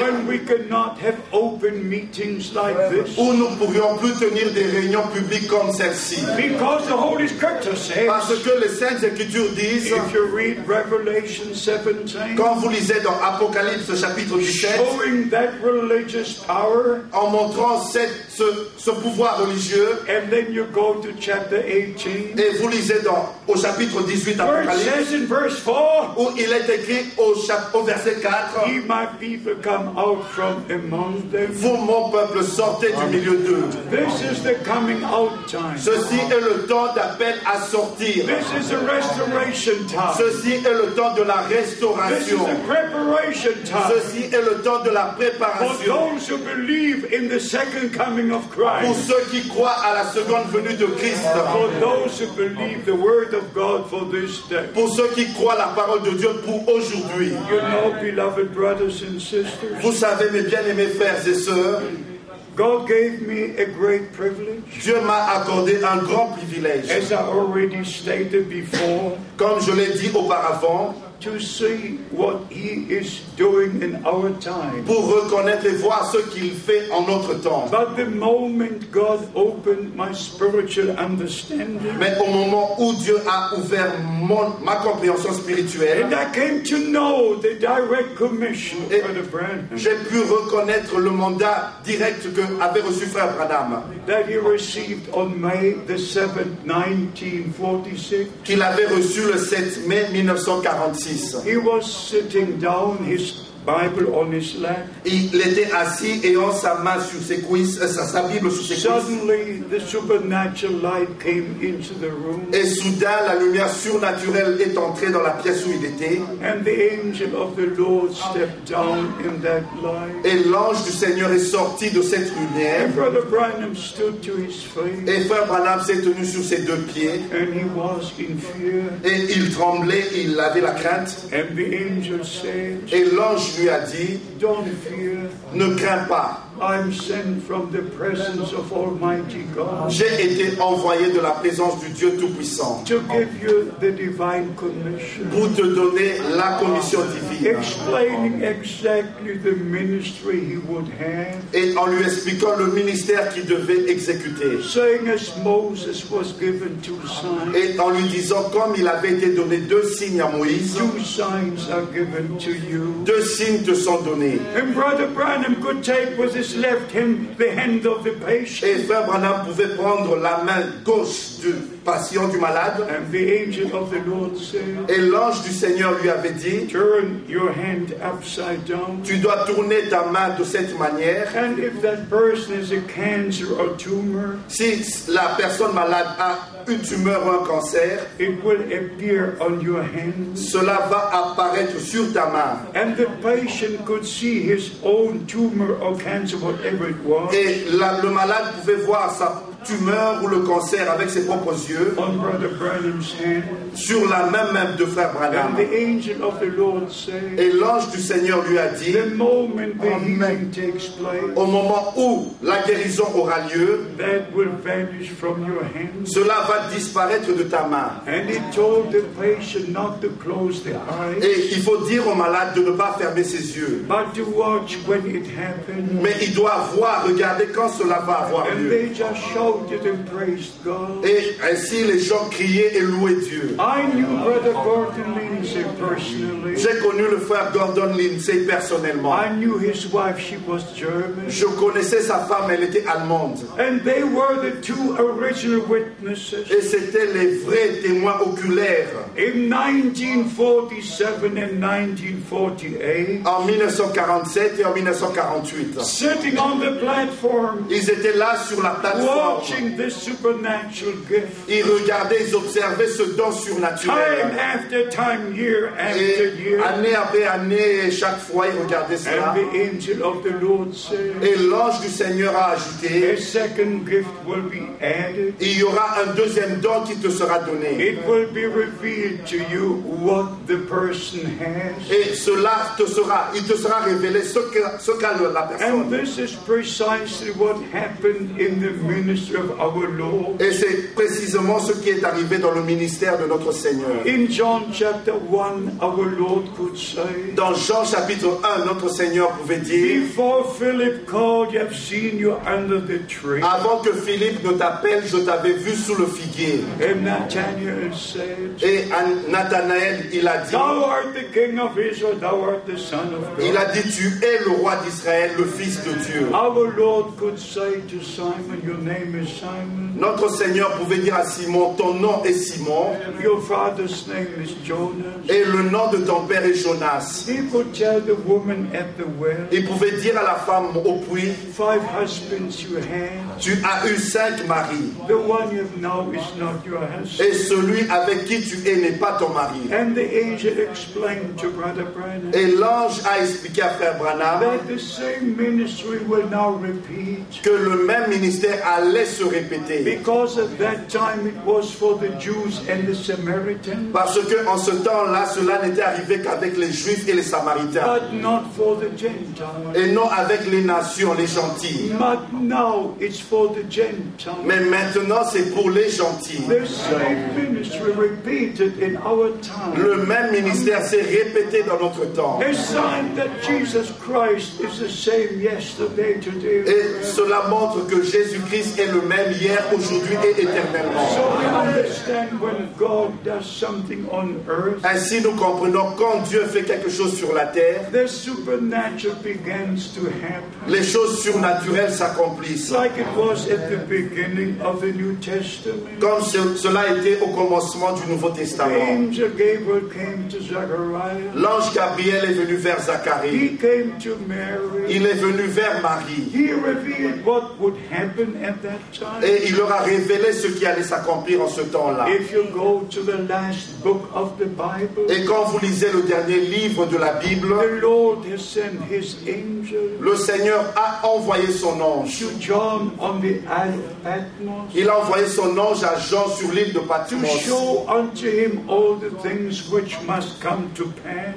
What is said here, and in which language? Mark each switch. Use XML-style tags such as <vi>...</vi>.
<en>When we cannot have open meetings like this.</en> <fr>Où nous ne pourrions plus tenir des réunions publiques comme celle-ci.</fr> <en>Because the Holy Scripture says.</en> <fr>Parce que les Saintes Écritures disent.</fr> <en>If you read Revelation 17.</en> <fr>Quand vous lisez dans Apocalypse chapitre 17.</fr> <en>Showing that religious power.</en> <fr>En montrant ce pouvoir religieux.</fr> <en>And then you go to chapter 18.</en> <fr>Et vous lisez au chapitre 18 d'Apocalypse.</fr> <en>Verse 4.</en> <fr>Où il est écrit au verset 4.</fr> <en>He, my people, come out from among them.</en> <fr>Vous, mon peuple, sortez du milieu d'eux.</fr> <en>This is the coming out time.</en> <fr>Ceci est le temps d'appel à sortir.</fr> <en>This is the restoration time.</en> <fr>Ceci est le temps de la restauration.</fr> <en>This is the preparation time.</en> <fr>Ceci est le temps de la préparation.</fr> <en>For those who believe in the second coming of Christ.</en> <fr>Pour ceux qui croient à la seconde venue de Christ.</fr> <en>For those who believe the word of God for this day.</en> <fr>Pour ceux qui croient la parole de Dieu pour aujourd'hui.</fr> <en>You know, beloved brothers and sisters.</en> <fr>Vous savez, mes bien-aimés frères et sœurs.</fr> <en>God gave me a great privilege.</en> <fr>Dieu m'a accordé un grand privilège.</fr> <en>As I already stated before.</en> <fr>Comme je l'ai dit auparavant.</fr> <en>To see what he is doing in our time.</en> <fr>Pour reconnaître et voir ce qu'il fait en notre temps.</fr> <en>But the moment God opened my spiritual understanding.</en> <fr>Mais au moment où Dieu a ouvert ma compréhension spirituelle.</fr> <en>And I came to know the direct commission of the Branham.</en> <fr>J'ai pu reconnaître le mandat direct que avait reçu Frère Branham.</fr> <en>That he received on May the 7th, 1946.</en> <fr>Qu'il avait reçu le 7 mai 1946.</fr> <en>He was sitting down, his Bible on his lap.</en> <fr>Il était assis ayant sa main sur ses cuisses, sa Bible sur ses cuisses.</fr> <en>Suddenly, the supernatural light came into the room.</en> <fr>Et soudain, la lumière surnaturelle est entrée dans la pièce où il était.</fr> <en>And the angel of the Lord stepped down in that light.</en> <fr>Et l'ange du Seigneur est sorti de cette lumière.</fr> <en>And Brother Branham stood to his feet.</en> <fr>Et Frère Branham s'est tenu sur ses deux pieds.</fr> <en>And he was in fear.</en> <fr>Et il tremblait, il avait la crainte.</fr> <en>And the angel said.</en> <fr>Et l'ange lui a dit,</fr> <en>don't fear.</en> <fr>Ne crains pas.</fr> <en>I'm sent from the presence of Almighty God.</en> <fr>J'ai été envoyé de la présence du Dieu Tout-Puissant.</fr> <en>To give you the divine commission.</en> <fr>Pour te donner la commission divine.</fr> <en>Explaining exactly the ministry he would have.</en> <fr>Et en lui expliquant le ministère qu'il devait exécuter.</fr> <en>Saying as Moses was given two signs.</en> <fr>Et en lui disant comme il avait été donné deux signes à Moïse.</fr> <en>Two signs are given to you.</en> <fr>Deux signes te sont donnés.</fr> <en>And Brother Branham could take with his left hand the hand of the patient.</en> <fr>Et Frère Branham pouvait prendre la main gauche du patient, du malade.</fr> <en>And the angel of the Lord said.</en> <fr>Et l'ange du Seigneur lui avait dit.</fr> <en>Turn your hand upside down.</en> <fr>Tu dois tourner ta main de cette manière.</fr> <en>And if that person is a cancer or tumor.</en> <fr>Si la personne malade a une tumeur ou un cancer.</fr> <en>It will appear on your hand.</en> <fr>Cela va apparaître sur ta main.</fr> <en>And the patient could see his own tumor or cancer, whatever it was.</en> <fr>Et le malade pouvait voir sa tumeur ou le cancer avec ses propres yeux.</fr> <en>On Brother Branham's hand.</en> <fr>sur la main même de frère Branham.</fr> <en>And the angel of the Lord said,</en> <fr>et l'ange du Seigneur lui a dit,</fr> <en>the moment the healing takes place,</en> <fr>au moment où la guérison aura lieu,</fr> <en>that will vanish from your hand.</en> <fr>Cela va disparaître de ta main.</fr> <en>And he told the patient not to close their eyes,</en> <fr>et il faut dire au malade de ne pas fermer ses yeux,</fr> <en>but to watch when it happens.</en> <fr>Mais il doit voir, regarder quand cela va avoir lieu.</fr> <en>And they just shouted and praised God.</en> <fr>Et ainsi les gens criaient et louaient Dieu.</fr> <en>I knew Brother Gordon Lindsay personally.</en> <fr>J'ai connu le frère Gordon Lindsay personnellement.</fr> <en>I knew his wife, she was German.</en> <fr>Je connaissais sa femme, elle était allemande.</fr> <en>And they were the two original witnesses.</en> <fr>Et c'était les vrais témoins oculaires.</fr> <en>In 1947 and 1948.</en> <fr>En 1947 et en 1948.</fr> <en>Sitting on the platform.</en> <fr>Ils étaient là sur la plateforme.</fr> <en>Watching this supernatural gift.</en> <fr>Ils regardaient, ils observaient ce don surnaturel.</fr> <en>Time after time, year after year.</en> <fr>Année après année, chaque fois, ils regardaient cela.</fr> <en>And the angel of the Lord said,</en> <fr>et l'ange du Seigneur a ajouté,</fr> <en>a second gift will be added.</en> <fr>Il y aura un deuxième don qui te sera donné.</fr> <en>It will be revealed to you what the person has.</en> <fr>Et cela te sera, il te sera révélé ce qu'a la personne.</fr> <en>And this is precisely what happened in the ministry of our Lord.</en> <fr>Et c'est précisément ce qui est arrivé dans le ministère de notre Seigneur.</fr> <en>In John chapter 1, our Lord could say,</en> <fr>dans Jean chapitre 1, notre Seigneur pouvait dire,</fr> <en>before Philip called, you have seen you under the tree.</en> <fr>Avant que Philippe ne t'appelle, je t'avais vu sous le figuier.</fr> <en>And Nathanael said,</en> <fr>et Nathanael, il a dit,</fr> <en>thou art the king of Israel, thou art the son of God.</en> <fr>Il a dit, tu es le roi d'Israël, le fils de Dieu.</fr> <en>Our Lord could say to Simon, your name is Simon.</en> <fr>Notre Seigneur pouvait dire à Simon, ton nom est Simon.</fr> <en>Your father's name is Jonas.</en> <fr>Et le nom de ton père est Jonas.</fr> <en>He could tell the woman at the well,</en> <fr>il pouvait dire à la femme au puits,</fr> <en>five husbands you had.</en> <fr>Tu as eu cinq maris.</fr> <en>The one you have now is not your husband.</en> <fr>Et celui avec qui tu es n'est pas ton mari.</fr> <en>And the angel explained to Brother Branham,</en> <fr>et l'ange a expliqué à frère Branham,</fr> <en>that the same ministry will now repeat,</en> <fr>que le même ministère allait se répéter.</fr> <en>Because at that time it was for the Jews and the Samaritans.</en> <fr>Parce que en ce temps-là, cela n'était arrivé qu'avec les Juifs et les Samaritains.</fr> <en>But not for the Gentiles.</en> <fr>Et non avec les nations, les gentils.</fr> <en>But now it's for the Gentiles.</en> <fr>Mais maintenant, c'est pour les gentils.</fr> <en>The same ministry repeated in our time.</en> <fr>Le même ministère s'est répété dans notre temps.</fr> <en>A sign that Jesus Christ is the same yesterday, today.</en> <fr>Et cela montre que Jésus-Christ est le même hier, aujourd'hui et éternellement.</fr> <en>So we understand when God does something on earth.</en> <fr>Ainsi, nous comprenons quand Dieu fait quelque chose sur la terre.</fr> <en>The supernatural begins to happen.</en> <fr>Les choses surnaturelles s'accomplissent.</fr> <en>Like it was at the beginning of the New Testament.</en> <fr>Comme cela était au commencement du Nouveau Testament.</fr> <en>The angel Gabriel came to Zachariah.</en> <fr>L'ange Gabriel est venu vers Zacharie.</fr> <en>He came to Mary.</en> <fr>Il est venu vers Marie.</fr> <en>He revealed what would happen at that time.</en> <fr>Et il leur a révélé ce qui allait s'accomplir en ce temps-là.</fr> <en>If you go to the last book of the Bible,</en> <fr>et quand vous lisez le dernier livre de la Bible,</fr> <en>the Lord has sent his angel,</en> <fr>le Seigneur a envoyé son ange.</fr> <en>To John on the Isle of Patmos,</en> <fr>il a envoyé son ange à Jean sur l'île de Patmos,</fr> <en>to show unto him all the things which must come to pass,</en>